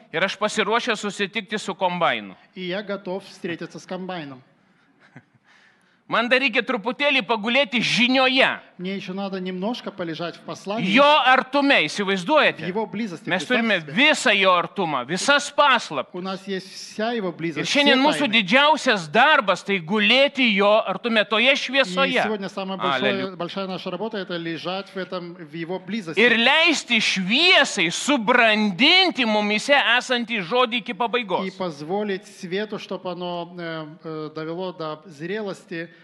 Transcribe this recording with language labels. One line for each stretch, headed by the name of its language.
Lithuanian: Ir aš pasiruošęs susitikti su kombainu.
Russian: И я готов встретиться с комбайном.
Lithuanian: Man dar reikia truputėlį pagulėti žinioje.
Russian: Мне еще надо немножко полежать в послании.
Lithuanian: Jo artume, įsivaizduojate?
Russian: Его близости.
Lithuanian: Mes turime visą jo artumą, visas paslaptis.
Russian: У нас есть вся его близость.
Lithuanian: Ir šiandien мūsų didžiausias darbas tai gulėti jo artume, toje šviesoje.
Russian: И сегодня самая большая наша работа это лежать в этом в его близости.
Lithuanian: Ir leisti šviesai subrandinti mumyse esantį žodį iki pabaigos.
Russian: И позволить свету, чтобы оно довело до зрелости.